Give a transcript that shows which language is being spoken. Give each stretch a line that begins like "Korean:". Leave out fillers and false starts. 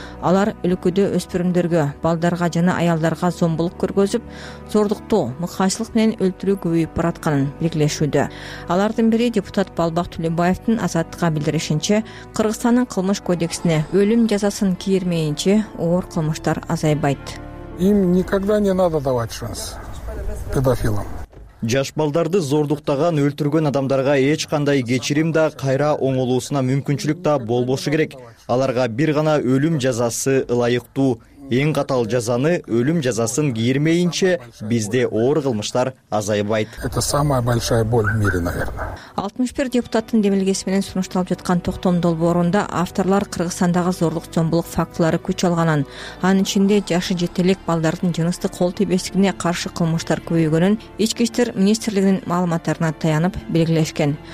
Kyrgyz: Алар өлкөдө өспүрүмдөргө, балдарга жана аялдарга зомбулук көргөзүп, зордукту, мыкаачылык менен өлтүрүү көбөйүп баратканын белгилешүүдө. Алардын бири депутат Балбак Түлөбаевдин Азаттыкка билдиришинче, Кыргызстандын кылмыш кодексине өлүм жазасын кирмейинче оор кылмыштар азайбайт.
Russian: Им никогда не надо давать шанс педофилам.
Kyrgyz: Жаш балдарды зордуктаган, өлтүргөн адамдарга эч кандай кечирим да, кайра оңолуусуна мүмкүнчүлүк да болбошу керек. Аларга бир гана өлүм жазасы ылайыктуу. Эң катал жазаны өлүм жазасын кирмейинче бизде оор кылмыштар азайбайт.
Russian: Это самая большая боль в мире, наверное.
Kyrgyz: 61 депутаттын демилгеси менен сунушталып жаткан токтом долбоорунда авторлор Кыргызстандагы зордук зомбулук фактылары күч алганын, анын ичинде жашы жете элек балдардын жыныстык кол тийбестигине каршы кылмыштар көбөйгөнүн Ички иштер министрлигинин маалыматтарына таянып белгилешкен.